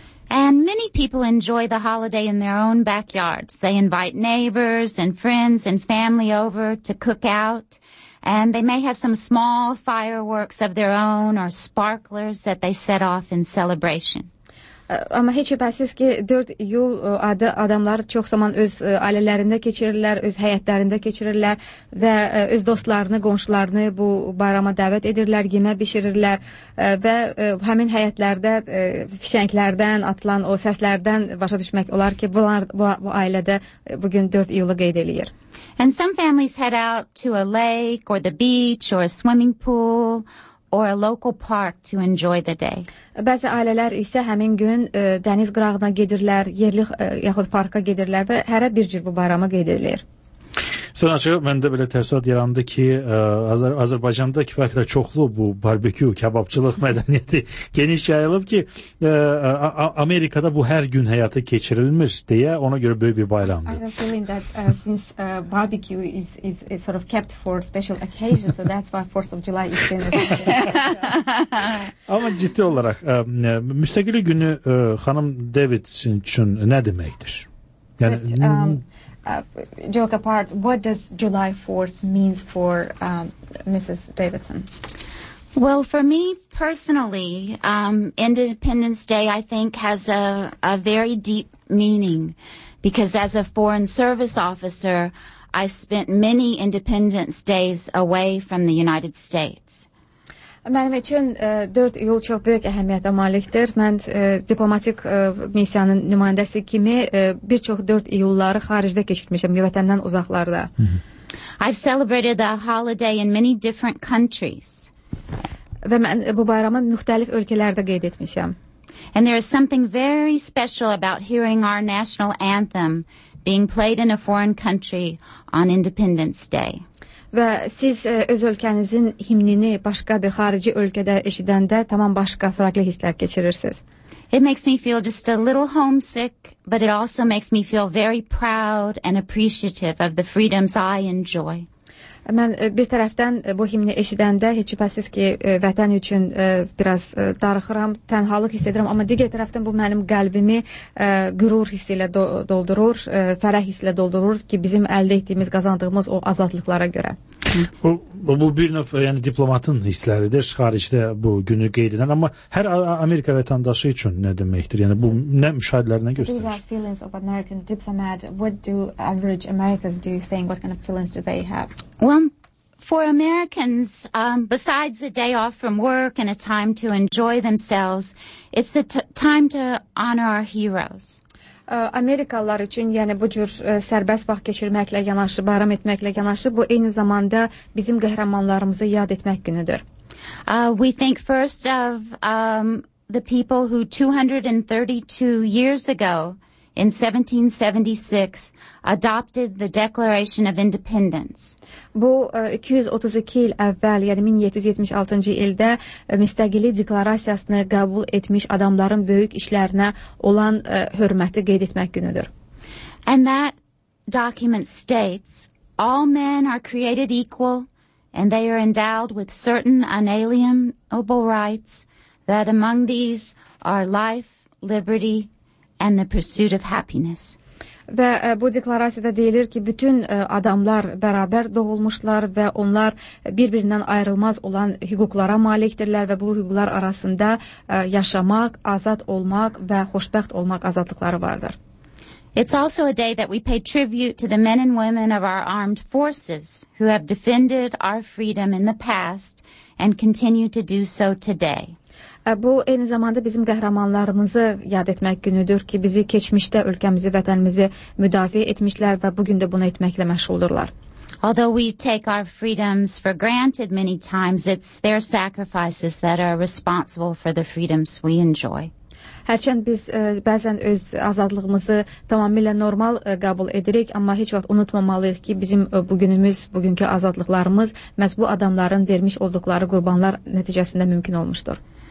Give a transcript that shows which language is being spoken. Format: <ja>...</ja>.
<en>And many people enjoy the holiday in their own backyards. They invite neighbors and friends and family over to cook out. And they may have some small fireworks of their own or sparklers that they set off in celebration.</en> <az>Amma heç şübhəsiz ki, 4 iyul adı adamlar çox zaman öz ailələrində keçirirlər, öz həyətlərində keçirirlər və öz dostlarını, qonşularını bu bayrama dəvət edirlər, yemək bişirirlər və həmin həyətlərdə fişənglərdən atılan o səslərdən başa düşmək olar ki, bu ailədə bugün 4 iyulu qeyd eləyir.</az> <en>And some families head out to a lake or the beach or a swimming pool or a local park to enjoy the day.</en> <az>Bəzi ailələr isə həmin gün dəniz qırağına gedirlər, yerli yaxud parka gedirlər və hərə bir cür bu bayramı qeyd edirlər. Sən açıq, məndə belə təsadüf yarandı ki, Azərbaycanda kifayət qədər çoxlu bu barbekü, kebabçılıq mədəniyyəti geniş yayılıb ki, Amerikada bu hər gün həyata keçirilmir deyə ona görə böyük bir bayramdır.</az> <en>I have a feeling that since barbecue is sort of kept for special occasions, so that's why 4th of July is been a</en> <az>Amma ciddi olaraq, müstəqillik günü xanım Davidson üçün nə deməkdir?</az> <en>Yəni, joke apart, what does July 4th mean for Mrs. Davidson? Well, for me personally, Independence Day, I think, has a very deep meaning because as a foreign service officer, I spent many Independence Days away from the United States.</en> <az>Mənim üçün 4 iyul çox böyük əhəmiyyətə malikdir. Mən diplomatik missiyanın nümayəndəsi kimi bir çox 4 iyulları xaricdə keçirmişəm, vətəndən uzaqlarda.</az> <en>I've celebrated the holiday in many different countries.</en> <az>Və mən bu bayramı müxtəlif ölkələrdə qeyd etmişəm.</az> <en>And there is something very special about hearing our national anthem being played in a foreign country on Independence Day.</en> <az>Və siz öz ölkənizin himnini başqa bir xarici ölkədə eşidəndə tamam başqa fərqli hisslər keçirirsiniz.</az> <en>It makes me feel just a little homesick, but it also makes me feel very proud and appreciative of the freedoms I enjoy.</en> <az>Mən bir tərəfdən bu himni eşidəndə heç şübhəsiz ki, vətən üçün biraz darıxıram, tənhalıq hiss edirəm, amma digər tərəfdən bu mənim qəlbimi qürur hissi ilə doldurur, fərəh hissi ilə doldurur ki, bizim əldə etdiyimiz, qazandığımız o azadlıqlara görə. Bu bir növ, yəni diplomatın hissləridir xaricdə bu günü qeyd edən, amma hər Amerika vətəndaşı üçün nə deməkdir? Yəni bu nə müşahidələrinə göstərir?</az> <en>These are feelings of American diplomat. What do average Americans do you think? What kind of feelings do they have? Well, for Americans, besides a day off from work and a time to enjoy themselves, it's a time to honor our heroes.</en> <az>Amerikalılar üçün, yəni bu cür sərbəst vaxt keçirməklə yanaşı, bayram etməklə yanaşı, bu eyni zamanda bizim qəhrəmanlarımızı yad etmək günüdür.</az> <en>We think first of the people who 232 years ago, in 1776, adopted the Declaration of Independence.</en> <az>Bu 232 il əvvəl, yəni 1776-cı ildə müstəqillik deklarasiyasını qəbul etmiş adamların böyük işlərinə olan hörməti qeyd etmək günüdür.</az> <en>And that document states, all men are created equal and they are endowed with certain unalienable rights that among these are life, liberty, and the pursuit of happiness.</en> <az>Və bu deklarasiyada deyilir ki, bütün adamlar bərabər doğulmuşlar və onlar bir-birindən ayrılmaz olan hüquqlara malikdirlər və bu hüquqlar arasında yaşamaq, azad olmaq və xoşbəxt olmaq azadlıqları vardır.</az> <en>It's also a day that we pay tribute to the men and women of our armed forces who have defended our freedom in the past and continue to do so today.</en> <az>Bu, eyni zamanda bizim qəhrəmanlarımızı yad etmək günüdür ki, bizi keçmişdə ölkəmizi, vətənimizi müdafiə etmişlər və bugün də bunu etməklə məşğuldurlar.</az> <en>Although we take our freedoms for granted many times, it's their sacrifices that are responsible for the freedoms we enjoy.</en> <az>Hərçənd biz bəzən öz azadlığımızı tamamilə normal qəbul edirik, amma heç vaxt unutmamalıyıq ki, bizim bugünümüz, bugünkü azadlıqlarımız məhz bu adamların vermiş olduqları qurbanlar nəticəsində mümkün olmuşdur.</az>